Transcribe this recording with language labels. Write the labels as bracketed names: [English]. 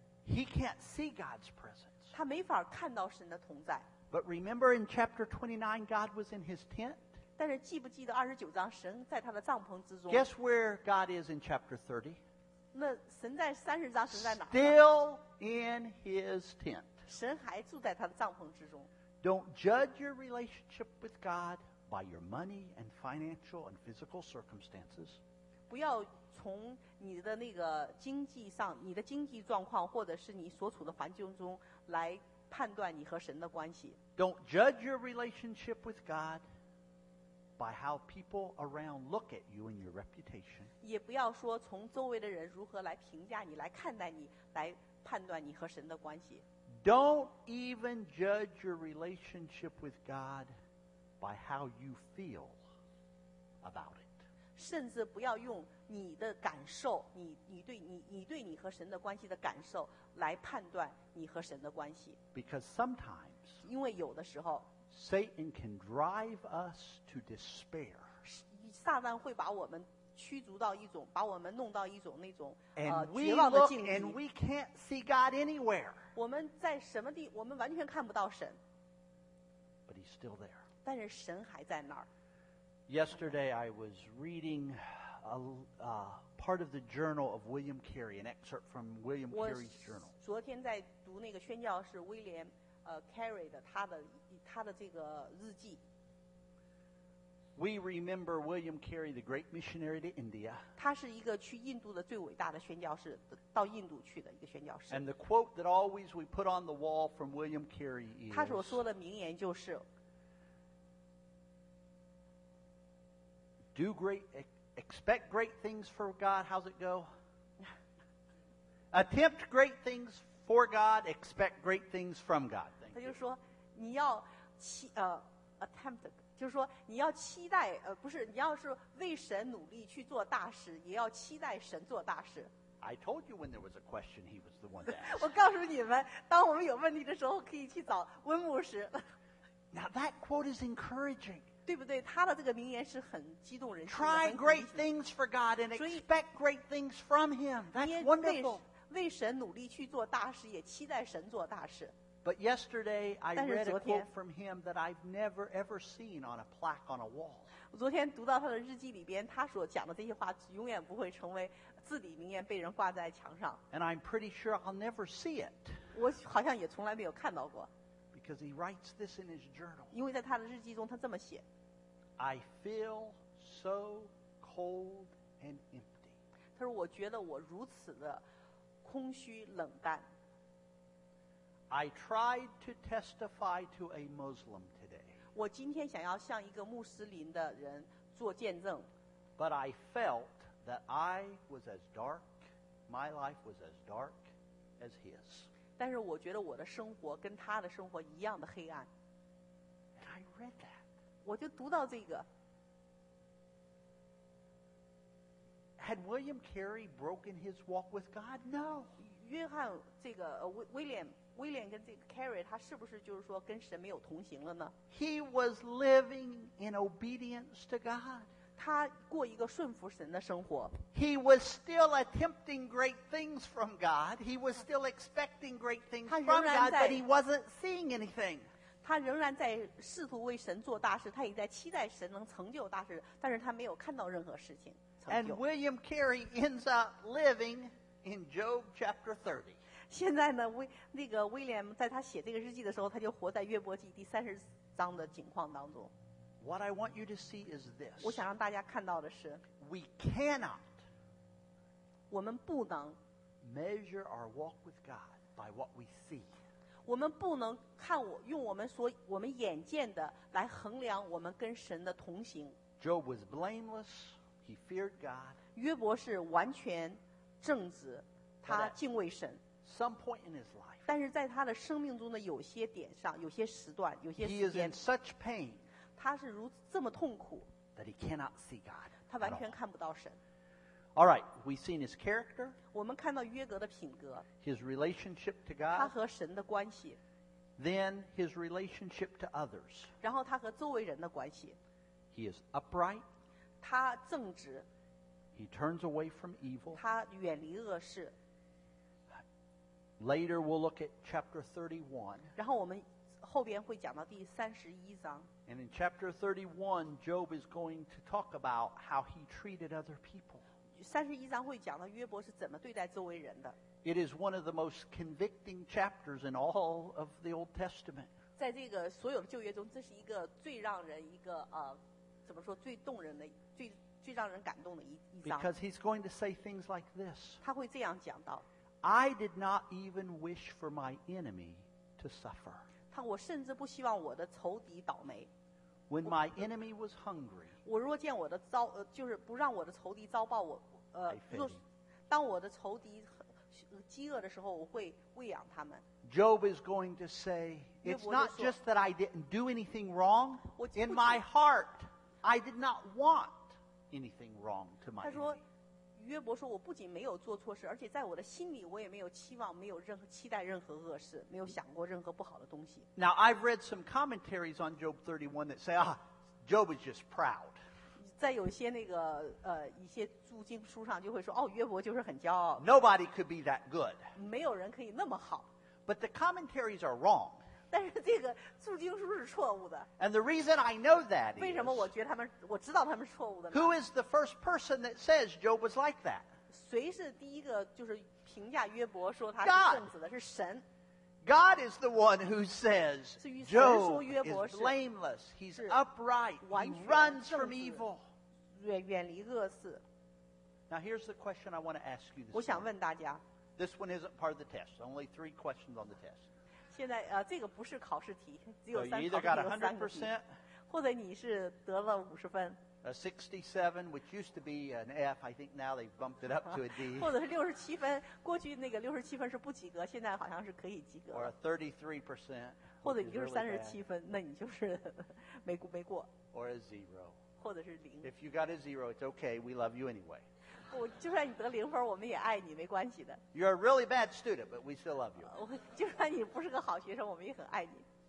[English] He can't see God's presence. [Chinese] 他没法看到神的同在。 [English] But remember in chapter 29, God was in his tent. [Chinese] 但是记不记得二十九章神在他的帐篷之中 [English] Guess where God is in chapter 30? [Chinese] 那神在三十章神在哪 [English] Still in his tent. [Chinese] 神还住在他的帐篷之中 [English] Don't judge your relationship with God by your money and financial and physical circumstances. [Chinese] 不要从你的那个经济上你的经济状况或者是你所处的环境中来判断你和神的关系 [English] Don't judge your relationship with God. By how people around look at you and your reputation. [Chinese] 也不要说从周围的人如何来评价你，来看待你，来判断你和神的关系。 [English] Don't even judge your relationship with God by how you feel about it. [Chinese] 甚至不要用你的感受，你对你和神的关系的感受来判断你和神的关系。 [English] Because sometimes. [Chinese] 因为有的时候。 [English] Satan can drive us to despair. [Chinese] 撒旦会把我们驱逐到一种，把我们弄到一种那种绝望的境地。 [English] And we can't see God anywhere. [Chinese] 我们在什么地，我们完全看不到神。 [English] But he's still there. [Chinese] 但是神还在那儿。 [English] Yesterday I was reading a part of the journal of William Carey, an excerpt from William Carey's journal. [Chinese] 我昨天在读那个宣教士威廉Carey 的他的这个日记。 [English] We remember William Carey, the great missionary to India. [Chinese] 他是一个去印度的最伟大的宣教士，到印度去的一个宣教士。 [English] And the quote that always we put on the wall from William Carey is. [Chinese] 他所说的名言就是。 [English] Do great, expect great things for God. How's it go? Attempt great things for God. Expect great things from God. [Chinese] 他就说。你要期attempt 就是说你要期待不是你要是为神努力去做大事也要期待神做大事 [English] I told you when there was a question he was the one to ask [Chinese] 我告诉你们当我们有问题的时候可以去找温牧师 [English] Now that quote is encouraging [Chinese] 对不对他的这个名言是很激动人心 [English] Try great things for God and expect great things from him That's wonderful [Chinese] 为神努力去做大事也期待神做大事 [English] But yesterday, I read a quote from him that I've never ever seen on a plaque on a wall. [Chinese] 昨天读到他的日记里边，他所讲的这些话永远不会成为至理名言，被人挂在墙上。 [English] And I'm pretty sure I'll never see it. [Chinese] 我好像也从来没有看到过。 [English] because he writes this in his journal. [Chinese] 因为在他的日记中他这么写。 [English] I feel so cold and empty. [Chinese] 他说我觉得我如此的空虚冷淡。 [English] I tried to testify to a Muslim today. [Chinese] 我今天想要向一个穆斯林的人做见证。 [English] But I felt that I was as dark, my life was as dark as his. [Chinese] 但是我觉得我的生活跟他的生活一样的黑暗。 [English] And I read that. [Chinese] 我就读到这个。 [English] Had William Carey broken his walk with God? No. [Chinese] 约翰这个威廉跟这个 Carey 他是不是就是说跟神没有同行了呢？ [English] He was living in obedience to God. [Chinese] 他过一个顺服神的生活。 [English] He was still attempting great things from God. He was still expecting great things from God, but he wasn't seeing anything. [Chinese] 他仍然在试图为神做大事，他也在期待神能成就大事，但是他没有看到任何事情成就。 [English] And William Carey ends up living in Job chapter 30. [Chinese] 现在呢，那个威廉在他写这个日记的时候，他就活在约伯记第三十章的景况当中。 [English] What I want you to see is this. [Chinese] 我想让大家看到的是 [English] We cannot. [Chinese] 我们不能 [English] measure our walk with God by what we see. [Chinese] 我们不能看我用我们所我们眼见的来衡量我们跟神的同行。 [English] Job was blameless. He feared God. [Chinese] 约伯是完全正直，他敬畏神。 [English] Some point in his life. [Chinese] 但是在他的生命中的有些点上，有些时段，有些时间 [English] ，He is in such pain. [Chinese] 他是如此这么痛苦 [English] ，that he cannot see God. [Chinese] 他完全看不到神。 [English] All right, we've seen his character. [Chinese] 我们看到约格的品格。 [English] His relationship to God. [Chinese] 他和神的关系。 [English] Then his relationship to others. [Chinese] 然后他和周围人的关系。 [English] He is upright. [Chinese] 他正直。 [English] He turns away from evil. [Chinese] 他远离恶事。 [English] Later we'll look at chapter 31. [Chinese] 然后我们后边会讲到第三十一章。 [English] And in chapter 31, Job is going to talk about how he treated other people. [Chinese] 三十一章会讲到约伯是怎么对待周围人的。 [English] It is one of the most convicting chapters in all of the Old Testament. [Chinese] 在这个所有的旧约中，这是一个最让人一个怎么说最动人的、最让人感动的一章。 [English] Because he's going to say things like this. [Chinese] 他会这样讲到。 [English] I did not even wish for my enemy to suffer. [Chinese] 他我甚至不希望我的仇敌倒霉。 [English] When my enemy was hungry, [Chinese] 我若见我的遭就是不让我的仇敌遭报我若当我的仇敌饥饿的时候，我会喂养他们。 [English] Job is going to say, it's not just that I didn't do anything wrong. In my heart, I did not want anything wrong to my enemy. [Chinese] 他说，约伯说，我不仅没有做错事，而且在我的心里，我也没有期望，没有任何期待，任何恶事，没有想过任何不好的东西。 [English] Now I've read some commentaries on Job 31 that say, Job is just proud. [Chinese] 在有些那个一些注经书上就会说，哦，约伯就是很骄傲。 [English] Nobody could be that good. [Chinese] 没有人可以那么好。 [English] But the commentaries are wrong. [Chinese] 但是这个注经书是错误的。 [English] And the reason I know that is, [Chinese] 为什么我觉得他们，我知道他们是错误的呢？ [English] Who is the first person that says Job was like that? [Chinese] 谁是第一个就是评价约伯说他是正直的？是神。 [English] God is the one who says, Job is blameless, he's upright, he runs from evil. [Chinese] 远离恶事。 [English] Now here's the question I want to ask you this morning. [Chinese] 我想问大家。 [English] This one isn't part of the test, only three questions on the test. [Chinese] 现在这个不是考试题，只有三个考试题，有三个题，或者你是得了五十分。 [English] 67, which used to be an F, I think now they bumped it up to a D. [Chinese] 或者是67分，过去那个67分是不及格，现在好像是可以及格。 [English] Or a 33%, [Chinese] 或者你就是37分，那你就是没过。 [English] Or a zero, [Chinese] 或者是零。 [English] If you got a zero, it's okay. We love you anyway. [Chinese] 我就算你得零分，我们也爱你，没关系的。 [English] You're a really bad student, but we still love you. [Chinese] 就算你不是个好学生，我们也很爱你。